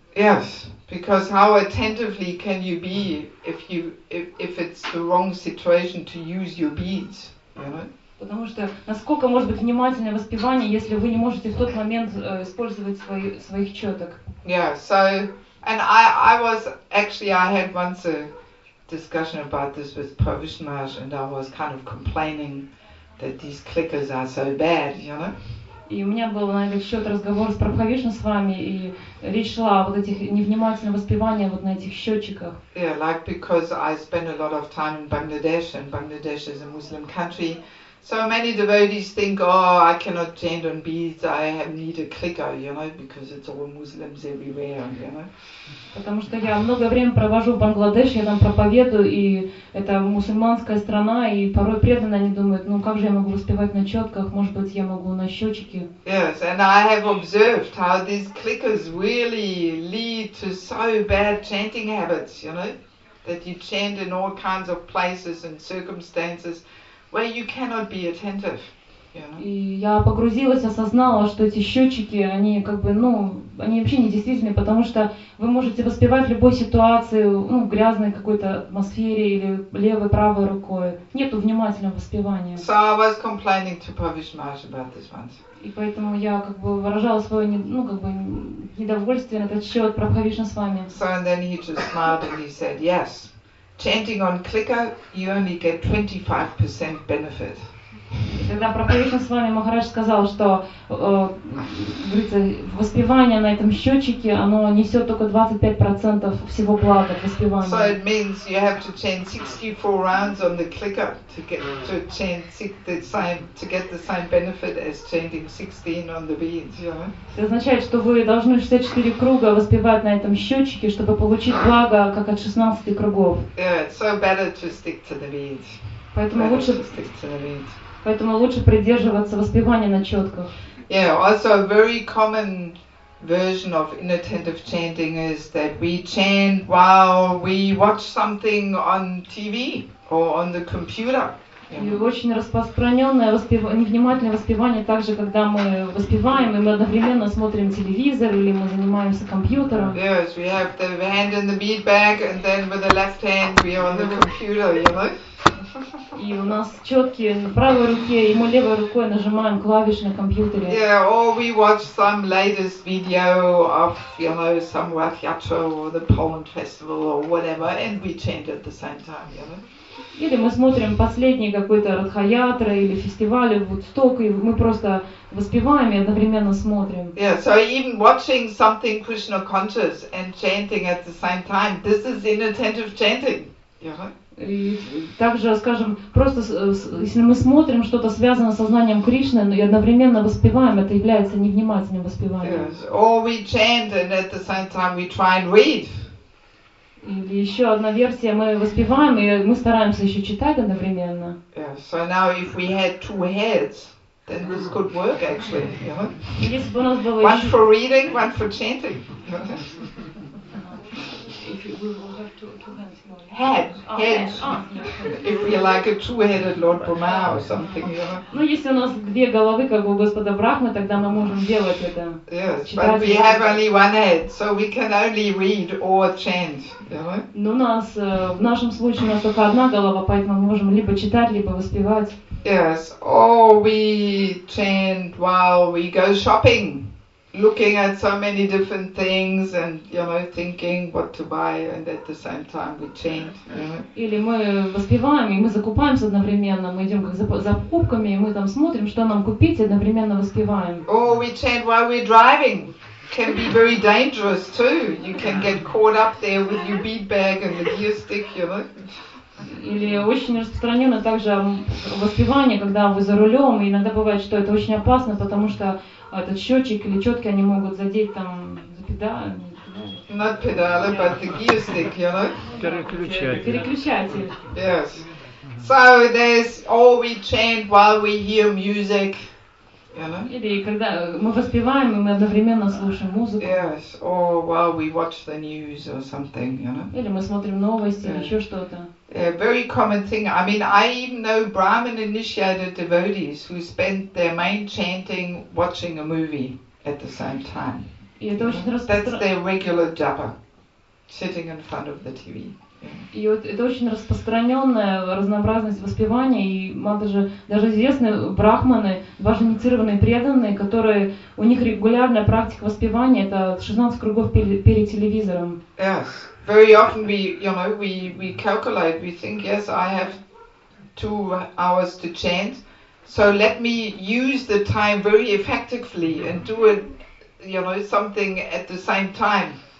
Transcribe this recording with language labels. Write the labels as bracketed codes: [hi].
[en] Yes, because how attentively can you be if it's the wrong situation to use your beads? You know? [ru] Потому что насколько может быть внимательное воспевание, если вы не можете в тот момент использовать своих четок? [en] Yeah, so, and I was, actually I had once a discussion about this with Pravishmash, and I was kind of complaining that these clickers are so bad, you know? [ru] И у меня был на этот счет разговор с Прабхавишна с вами, и речь шла о вот этих невнимательных воспеваниях вот на этих счетчиках. [en] Yeah, like because I spend a lot of time in Bangladesh, and Bangladesh is a Muslim country, So many devotees think, oh, I cannot chant on beads, I need a clicker, you know, because it's all Muslims everywhere, you know. [ru] Потому что я много времени провожу в Бангладеш, я там проповедую, и это мусульманская страна, и порой преданные они думают, ну как же я могу воспевать на четках, может быть я могу на счетчике. [en] Yes, and I have observed how these clickers really lead to so bad chanting habits, you know, that you chant in all kinds of places and circumstances where you cannot be attentive. Yeah. [ru] И я погрузилась, осознала, что эти счетчики, они как бы, ну, они вообще не действительны, потому что вы можете воспевать в любой ситуации, ну, в грязной какой-то атмосфере или левой, правой рукой. Нету внимательного воспевания. [en] So I was complaining to Pavish Maharaj about this once. [ru] И поэтому я как бы выражала свое, ну, как бы недовольствие на этот счет Прабхавишна с вами. [en] So and then he just smiled and he said, yes, chanting on clicker, you only get 25% benefit. [ru] И тогда проповедник с вами Махарадж сказал, что воспевание на этом счетчике, оно несет только 25% всего блага воспевания. [en] So it means you have to chant 64 rounds on the clicker to get the same benefit as chanting 16 on the beads, you know? [ru] Это означает, что вы должны 64 круга воспевать на этом счетчике, чтобы получить благо, как от 16 кругов. [en] Yeah, it's so better to stick to the beads. [ru] Поэтому лучше придерживаться воспевания на четках. [en] Yeah, also a very common version of inattentive chanting is that we chant while we watch something on TV or on the computer. [ru] И очень распространенное невнимательное воспевание также, когда мы воспеваем, и мы одновременно смотрим телевизор или мы занимаемся компьютером. [en] Yes, we have the hand in the bead bag and then with the left hand we are on the computer, you know? [ru] И у нас четки на правой руке, и мы левой рукой нажимаем клавиши на компьютере. [en] Yeah, or we watch some latest video of, you know, some Wathiacho or the Poland Festival or whatever, and we chant at the same time, you know? [ru] Или мы смотрим последний какой-то Радхаятра или фестиваль в Вудстоке, и мы просто воспеваем и одновременно смотрим. [en] Yeah, so even watching something Krishna conscious and chanting at the same time, this is inattentive chanting, you know? [ru] И также, скажем, просто если мы смотрим что-то связанное с сознанием Кришны, но и одновременно воспеваем, это является невнимательным воспеванием. [en] Yes. Or we chant and at the same time we try and read. [ru] И еще одна версия, мы воспеваем и мы стараемся еще читать одновременно. [en] Yes. So now if we had two heads, then this could work actually. Yeah. [ru] Если бы у нас было [en] one [ru] еще... [en] for reading, one for chanting. If you will have two heads, if you like a two-headed Lord Brahma or something, you know. [ru] Ну, если у нас две головы, как у Господа Брахмы, тогда мы можем делать это. [en] Yes, but we have only one head, so we can only read or chant, you know. [ru] Но у нас в нашем случае у нас только одна голова, поэтому мы можем либо читать, либо воспевать. [en] Yes, or we chant while we go shopping. Looking at so many different things and, you know, thinking what to buy and at the same time we chant, you know. [ru] Или мы воспеваем и мы закупаемся одновременно, мы идем как за покупками и мы там смотрим, что нам купить, и одновременно воспеваем. [en] Or we chant while we're driving. Can be very dangerous too. You can get caught up there with your bead bag and the gear stick, you know. [ru] Или очень распространено также воспевание, когда вы за рулем, и иногда бывает, что это очень опасно, потому что этот счетчик или четки, они могут задеть там за педали. [en] Not pedal, but the gear stick, you know? [ru] Переключатель. Переключатель. [en] Yes. So there's all we chant while we hear music, you know? [ru] Или когда мы воспеваем, и мы одновременно слушаем музыку. [en] Yes, or while we watch the news or something, you know? [ru] Или мы смотрим новости, [en] yeah. [ru] Или еще что-то. [en] A very common thing. I mean, I even know Brahmin initiated devotees who spend their main chanting watching a movie at the same time. That's their regular japa, sitting in front of the TV. [ru] И вот это очень распространенная разнообразность воспевания, и даже известные брахманы, дважды инициированные преданные, которые у них регулярная практика воспевания, это 16 кругов перед телевизором. [en] Yes, very often we, you know, we calculate, we think, yes, I have 2 hours to chant, so let me use the time very effectively and do it, you know, something at the same time.